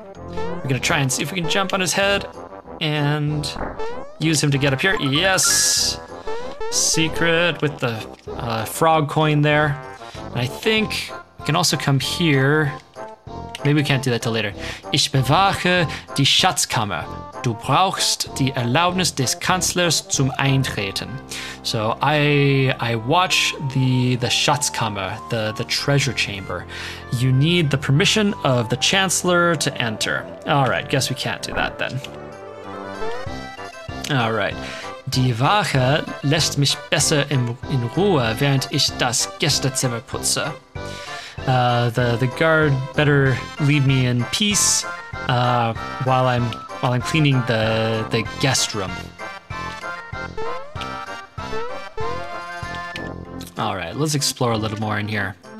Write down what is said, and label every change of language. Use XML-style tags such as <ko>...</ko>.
<en>We're gonna try and see if we can jump on his head and use him to get up here. Yes! Secret with the frog coin there. And I think we can also come here. Maybe we can't do that till later.</en> <de>Ich bewache die Schatzkammer. Du brauchst die Erlaubnis des Kanzlers zum Eintreten.</de> <en>So I watch the Schatzkammer, the treasure chamber. You need the permission of the Chancellor to enter. All right, guess we can't do that then. All right.</en> <de>Die Wache lässt mich besser in Ruhe, während ich das Gästezimmer putze.</de> <en>The guard better leave me in peace while I'm cleaning the guest room. All right, let's explore a little more in here.</en>